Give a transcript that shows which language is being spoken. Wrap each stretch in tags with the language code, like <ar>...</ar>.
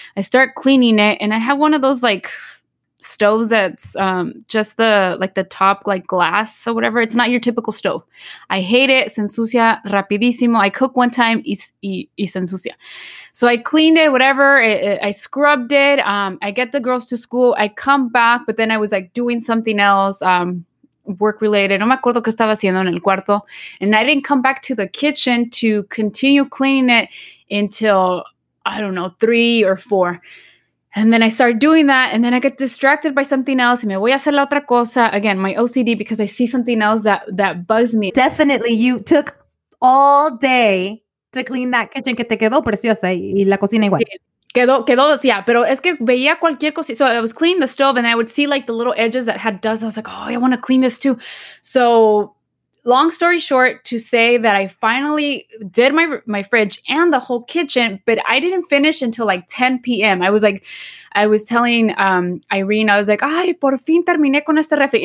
<en>I start cleaning it and I have one of those like stoves that's just the like the top like glass or whatever. It's not your typical stove. I hate it.</en> <es>Se ensucia rapidísimo.</es> <en>I cook one time</en> <es>y se ensucia.</es> <en>So I cleaned it, whatever. I scrubbed it. I get the girls to school. I come back, but then I was like doing something else. Work-related.</en> <es>No me acuerdo qué estaba haciendo en el cuarto.</es> <en>And I didn't come back to the kitchen to continue cleaning it until, I don't know, 3 or 4. And then I start doing that. And then I get distracted by something else.</en> <es>Me voy a hacer la otra cosa.</es> <en>Again, my OCD, because I see something else that bugs me. Definitely, you took all day to clean that kitchen.</en> <es>Que te quedó preciosa y la cocina igual.</es> <en>Yeah.</en> <es>Quedó, yeah, pero es que veía cualquier cosa.</es> <en>So I was cleaning the stove and I would see like the little edges that had dust. I was like, oh, I want to clean this too. So long story short, to say that I finally did my fridge and the whole kitchen, but I didn't finish until like 10 p.m. I was telling Irene, I was like,</en> <es>ay, por fin terminé con este refri.</es>